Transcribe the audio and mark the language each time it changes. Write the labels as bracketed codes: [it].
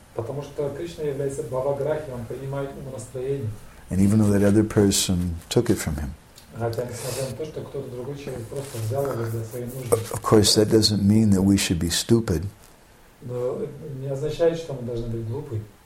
[ru] Потому что Кришна является бхаваграхи, он принимает ум настроение. [en] And even though that other person took it from him. [ru] Хотя несмотря на то, что кто-то другой человек просто взял его для своей нужды. [en] Of course, that doesn't mean that we should be stupid. [ru] Но не означает, что мы должны быть глупы.